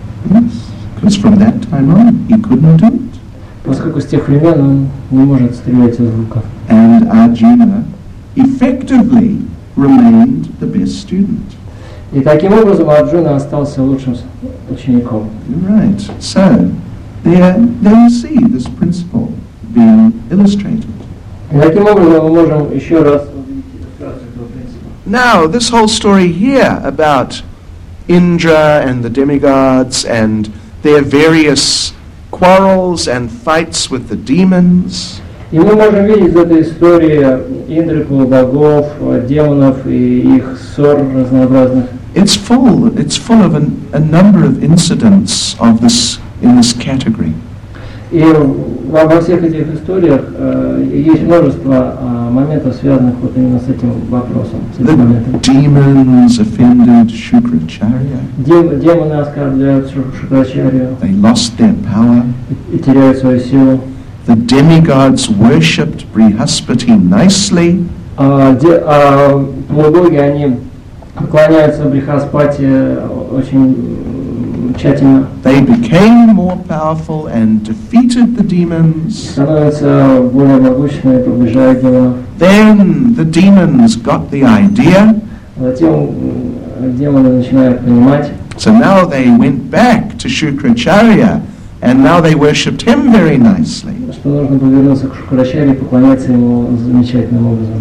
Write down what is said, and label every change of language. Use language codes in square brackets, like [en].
[en] Yes, because from that time on he couldn't do it. [ru] Поскольку с тех времен он не может стрелять из лука. [en] And Arjuna effectively remained the best student. [ru] И таким образом Арджуна остался лучшим учеником. [en] Right. So there you see this principle being illustrated. [ru] И таким образом мы можем еще раз. [en] Now this whole story here about Indra and the demigods and their various quarrels and fights with the demons. [ru] И мы можем видеть в этой истории Индры, полубогов, демонов и их ссор разнообразных. [en] It's full of a number of incidents of this, in this category. [ru] И во всех этих историях есть множество моментов, связанных вот именно с этим вопросом, с этим моментом. [en] The demons offended Shukracharya. [ru] Демоны оскорбляют Шукрачарью. [en] They lost their power. [ru] И теряют свою силу. [en] The demigods worshipped Brihaspati nicely. [ru] Полубоги, они поклоняются Брихаспати очень тщательно. [en] They became more powerful and defeated the demons. [ru] Становятся более могущественными, побеждают демонов. [en] Then the demons got the idea. [ru] Затем демоны начинают понимать. [en] So now they went back to Shukracharya. And now they worshipped him very nicely. [ru] Что нужно повернуться к Шукрачарье и поклоняться ему замечательным образом.